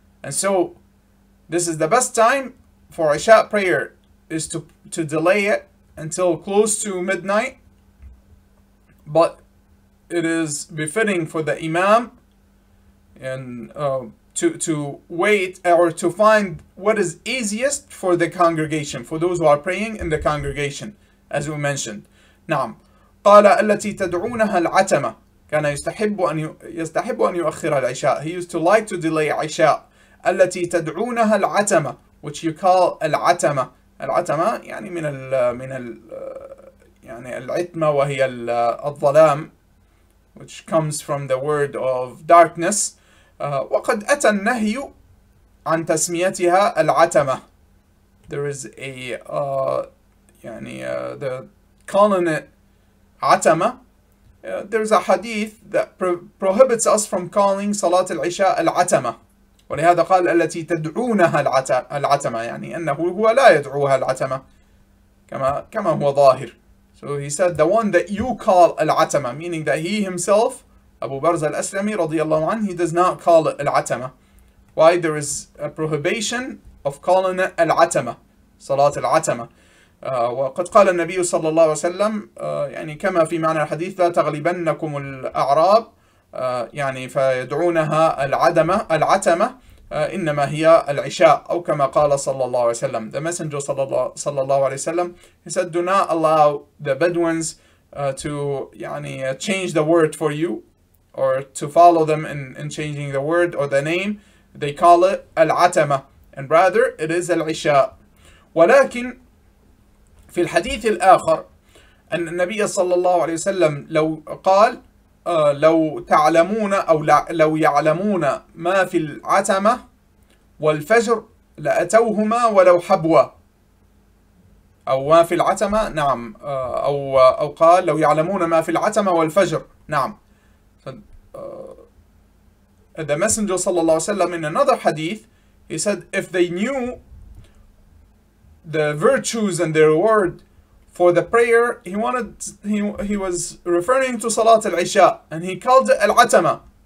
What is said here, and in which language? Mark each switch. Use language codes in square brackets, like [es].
[en] And so this is the best time for Isha prayer, is to delay it until close to midnight. But it is befitting for the imam and to wait, or to find what is easiest for the congregation, for those who are praying in the congregation, as we mentioned. [ar] نعم. قال التي تدعونها العتمة كان يستحب أن يؤخر العشاء. [en] He used to like to delay عشاء. [ar] التي تدعونها العتمة, [en] which you call [ar] العتمة. العتمة يعني من ال من ال يعني العتمة, وهي الظلام, [en] which comes from the word of darkness. [ar] وقد أتى النهي عن تسميتها العتمة. [en] There is a [ar] يعني [en] the calling it عتمة. There is a hadith that prohibits us from calling salat al-isha العتمة. [ar] ولهذا قال التي تدعونها العتمة, يعني أنه هو لا يدعوها العتمة كما هو ظاهر. [en] So he said the one that you call العتمة, meaning that he himself, Abu Barz al-Aslami [ar] رضي الله عنه, [en] he does not call it العتمة. Why? There is a prohibition of calling it العتمة, صلاة العتمة. [ar] وقد قال النبي صلى الله عليه وسلم يعني كما في معنى الحديث لا تغلبنكم الأعراب, يعني فيدعونها العدمة العتمة, إنما هي العشاء, أو كما قال صلى الله عليه وسلم. [en] The Messenger [ar] صلى الله عليه وسلم, [en] he said, do not allow the Bedouins to [ar] يعني [en] change the word for you, or to follow them in changing the word or the name. They call it العتمة, and rather it is العشاء. [ar] ولكن في الحديث الآخر أن النبي صلى الله عليه وسلم لو قال لو تعلمون أو لو يعلمون ما في العتمة والفجر لأتوهما ولو حبوا, أو ما في العتمة نعم, أو قال لو يعلمون ما في العتمة والفجر نعم. [en] The Messenger [ar] صلى الله عليه وسلم [en] in another hadith, he said if they knew the virtues and the reward for the prayer, he was referring to Salat al-Isha, and he called it al-Atama.